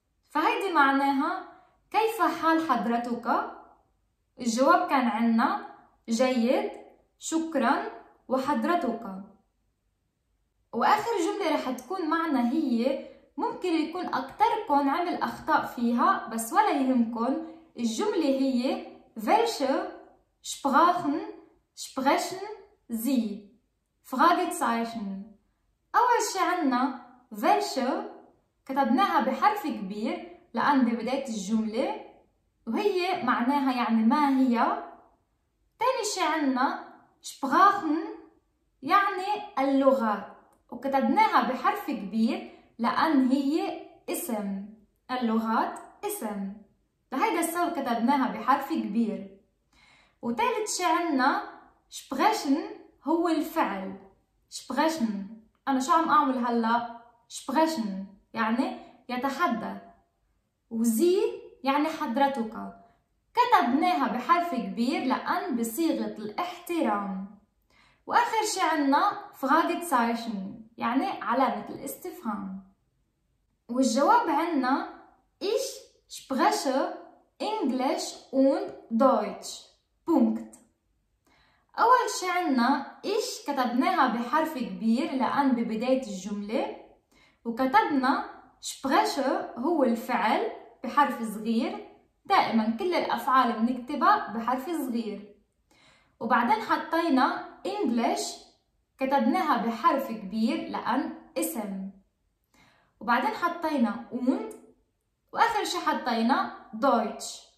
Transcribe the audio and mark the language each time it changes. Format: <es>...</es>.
<ar>فهيدي معناها كيف حال حضرتك؟ الجواب كان عنا جيد، شكرا، وحضرتك. واخر جملة رح تكون معنا هي ممكن يكون اكتركن عمل اخطاء فيها، بس ولا يهمكن. الجملة هي</ar> <de>welche Sprachen sprechen Sie Fragezeichen.</de> <ar>اول شي عنا welche كتبناها بحرف كبير لان ببداية الجملة، وهي معناها يعني ما هي. تاني شي عنا Sprachen يعني اللغة، وكتبناها بحرف كبير لان هي اسم، اللغات اسم، لهيدا السبب كتبناها بحرف كبير. وتالت شي عنا sprechen هو الفعل sprechen. انا شو عم اعمل هلا؟ sprechen يعني يتحدث، وزي يعني حضرتك، كتبناها بحرف كبير لان بصيغه الاحترام. واخر شي عنا Fragezeichen يعني علامة الاستفهام. والجواب عنا</ar> <de>Ich spreche Englisch und Deutsch Punkt.</de> <ar>أول شي عنا Ich كتبناها بحرف كبير لأن ببداية الجملة، وكتبنا spreche هو الفعل بحرف صغير، دائما كل الأفعال بنكتبها بحرف صغير. وبعدين حطينا English كتبناها بحرف كبير لأن اسم، وبعدين حطينا und، وآخر شي حطينا Deutsch.</ar>